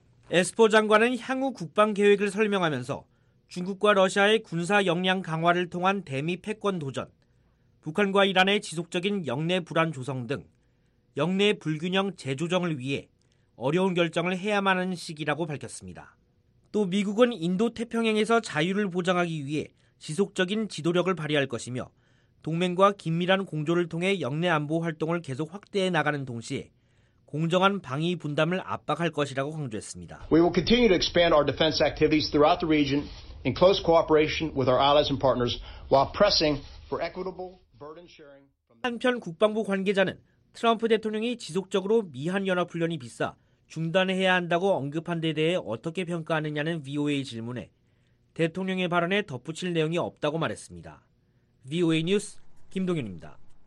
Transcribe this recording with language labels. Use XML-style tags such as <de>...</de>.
<ko>에스퍼 장관은 향후 국방 계획을 설명하면서 중국과 러시아의 군사 역량 강화를 통한 대미 패권 도전, 북한과 이란의 지속적인 영내 불안 조성 등 영내 불균형 재조정을 위해 어려운 결정을 해야만 하는 시기라고 밝혔습니다. 또 미국은 인도 태평양에서 자유를 보장하기 위해 지속적인 지도력을 발휘할 것이며 동맹과 긴밀한 공조를 통해 영내 안보 활동을 계속 확대해 나가는 동시에 공정한 방위 분담을 압박할 것이라고 강조했습니다.</ko> <en>We will continue to expand our defense activities throughout the region in close cooperation with our allies and partners while pressing for equitable burden sharing.</en> <ko>한편 국방부 관계자는 트럼프 대통령이 지속적으로 미한 연합 훈련이 비싸 중단해야 한다고 언급한 데 대해 어떻게 평가하느냐는 VOA 질문에 대통령의 발언에 덧붙일 내용이 없다고 말했습니다. VOA 뉴스 김동현입니다.</ko>